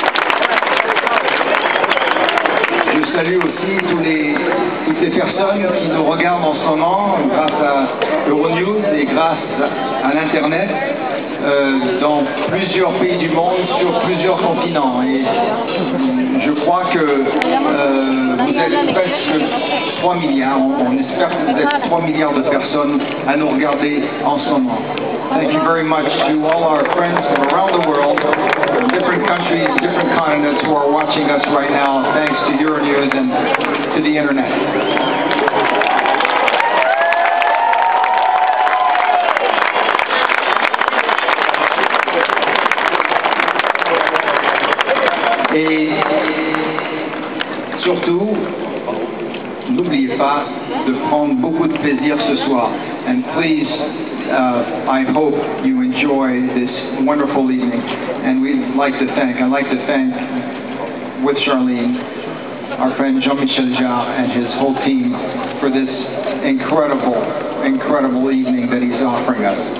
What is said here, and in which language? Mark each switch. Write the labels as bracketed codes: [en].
[fr] Je salue aussi toutes les personnes qui nous regardent en ce moment grâce à Euronews et grâce à l'Internet. Dans plusieurs pays du monde, sur plusieurs continents. Et je crois que vous êtes presque 3 milliards. On espère que vous êtes 3 milliards de personnes à nous regarder en ce moment. [en] Thank you very much to all our friends from around the world, different countries, different continents who are watching us right now, thanks to Euronews and to the Internet. [fr] Et surtout, n'oubliez pas de prendre beaucoup de plaisir ce soir. [en] And please, I hope you enjoy this wonderful evening. And I'd like to thank with Charlene, our friend Jean-Michel Jarre and his whole team for this incredible, incredible evening that he's offering us.